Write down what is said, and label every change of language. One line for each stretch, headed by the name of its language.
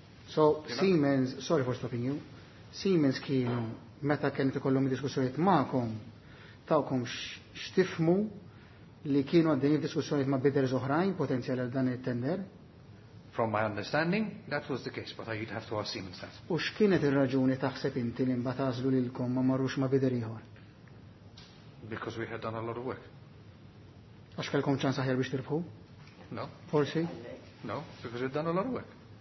English: So you Siemens, know? Sorry for stopping you, Siemens came.
Maltese: Meta kien tikollhom id-diskussjonijiet magħhom, tawkom x'tifhmu li kienu għaddin id-diskussjonijiet ma' bidders oħrajn potenzjali għal dan it-tender?
English: From my understanding, that was the case, but you'd have to ask Siemens that.
Maltese: U x'kienet ir-raġuni taħseb inti li mbagħad għażlu lilkom ma marrux ma' bidder ieħor?
English: Because we had done a lot of work.
Maltese: Għax kellkom ċans aħjar biex tirbħu?
English: No.
Maltese: Forsi?
English: No, because we had done a lot of work.